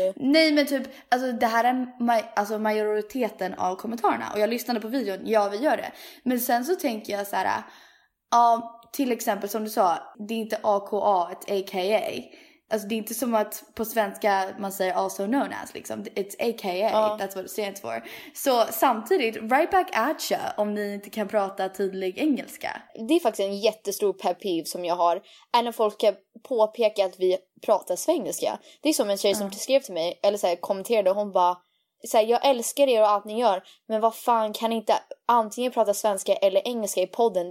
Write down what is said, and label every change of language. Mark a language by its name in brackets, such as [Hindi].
[Swedish] Nej, men typ, alltså det här är majoriteten av kommentarerna. Och jag lyssnade på videon, ja vi gör det. Men sen så tänker jag så här. Ja, till exempel som du sa, det är inte AKA, ett AKA. Alltså det är inte som att på svenska man säger [English] also known as, [Swedish] liksom. [English] It's AKA, that's what it stands for. [Swedish] Så samtidigt, [English] right back at you [Swedish] om ni inte kan prata tydlig engelska. Det är faktiskt en jättestor [English] pet peeve [Swedish] som jag har. Är när folk påpekar att vi pratar svengelska. Det är som en tjej som skrev till mig, eller så här, kommenterade, och hon bara... Så här, jag älskar er och allt ni gör, men vad fan, kan inte antingen prata svenska eller engelska i podden?